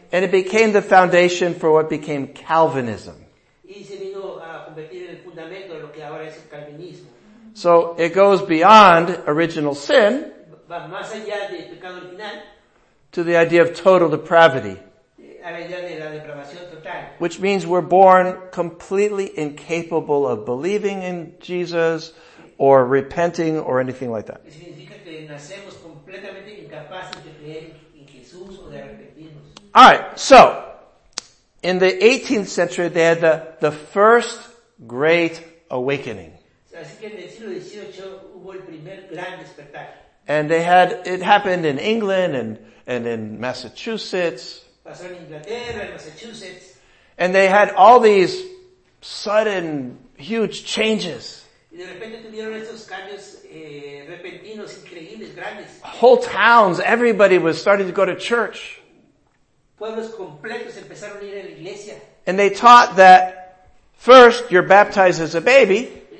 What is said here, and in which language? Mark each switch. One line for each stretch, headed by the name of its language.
English: And it became the foundation for what became Calvinism.
Spanish: Y se vino a convertir en el fundamento de lo que ahora es el calvinismo.
English: So it goes beyond original sin,
Spanish: va más allá del pecado original,
English: to the idea of total depravity,
Spanish: a la idea de la depravación total,
English: which means we're born completely incapable of believing in Jesus or repenting or anything like that.
Spanish: Significa que nacemos completamente incapaces de creer en Jesús o de arrepentirnos.
English: All right, so in the 18th century, they had the first great awakening.
Spanish: Así que en el siglo XVIII hubo el primer gran despertar.
English: And they had, it happened in England and in Massachusetts.
Spanish: Pasó en Inglaterra, en Massachusetts.
English: And they had all these sudden, huge changes.
Spanish: Y de repente tuvieron estos cambios, repentinos, increíbles, grandes.
English: Whole towns, everybody was starting to go to church.
Spanish: Pueblos completos empezaron a ir a la iglesia.
English: And they taught that first you're baptized as a baby.